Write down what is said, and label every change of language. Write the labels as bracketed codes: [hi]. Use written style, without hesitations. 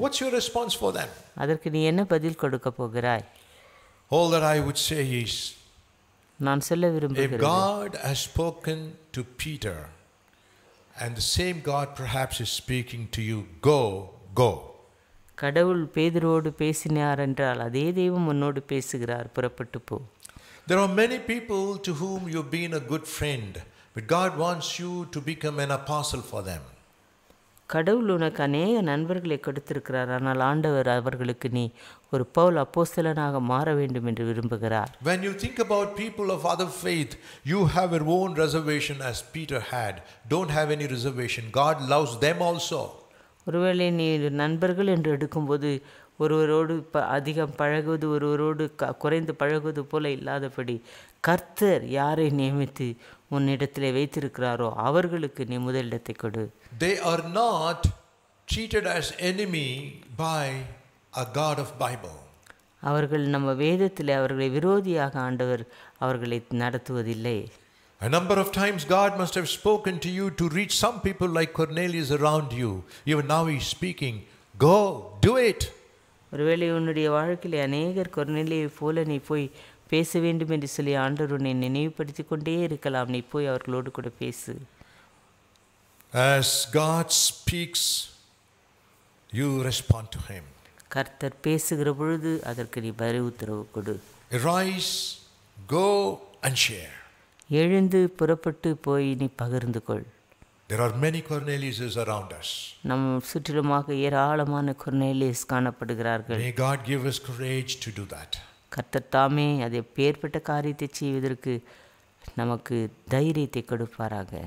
[en] What's your response for them? [ta] அதற்கு நீ என்ன பதில் கொடுக்க போகிறாய்? [en] All that I would say is, [ta] நான் சொல்ல விரும்புகிறேன், [en] if God has spoken to Peter, and the same God perhaps is speaking to you, go. [ta] கடவுள் பேதுருவோடு பேசினார் என்றால் அதே தெய்வம் உன்னோடு பேசுகிறார், புறப்பட்டு போ. [en] There are many people to whom you've been a good friend, but God wants you to become an apostle for them. [ta] கடவுள் உனக்கு அநேக நண்பர்களை கொடுத்திருக்கிறார், ஆனால் ஆண்டவர் அவர்களுக்கு நீ ஒரு பவுல் அப்போஸ்தலனாக மாற வேண்டும் என்று விரும்புகிறார். [en] When you think about people of other faith, you have your own reservation as Peter had. Don't have any reservation. God loves them also. [ta] ஒருவேளை நீ நண்பர்கள் என்று எடுக்கும்போது ஒருவரோடு அதிகம் பழகுவது ஒருவரோடு குறைந்து பழகுவது போல இல்லாதபடி கர்த்தர் யாரை நியமித்து உன்னிடத்தில் வைத்திருக்கிறாரோ அவர்களுக்கு நீ முதலிடத்தை கொடு. [en] They are not treated as enemy by a God of Bible. [ta] அவர்கள் நம்ம வேதத்தில் அவர்களை விரோதியாக ஆண்டவர் அவர்களை நடத்துவதில்லை. [en] A number of times God must have spoken to you to reach some people like Cornelius around you. Even now he's speaking, go, do it. [ta] ஒருவேளை உன்னுடைய வாழ்க்கையில் அநேகர் கொர்நேலியை போல நீ போய் பேச வேண்டும் என்று சொல்லி ஆண்டவர் உன்னை நினைவுபடுத்தி கொண்டே இருக்கலாம். நீ போய் அவர்களோடு கூட பேசு. [en] As God speaks, you respond to him. [ta] கர்த்தர் பேசுகிற பொழுது அதற்கு நீ பதில் உத்தரவு கொடு. [en] Arise, go and share. [ta] எழுந்து புறப்பட்டு போய் நீ பகிர்ந்து கொள். [en] There are many Corneliuses around us. [ta] நம் சுற்றிலுமாக ஏராளமான Cornelius காணப்படுகிறார்கள். [en] May God give us courage to do that. [ta] கர்த்தர் தாமே அதை பேர்பட்ட காரியத்தை செய்வதற்கு நமக்கு தைரியத்தை கொடுப்பாராக.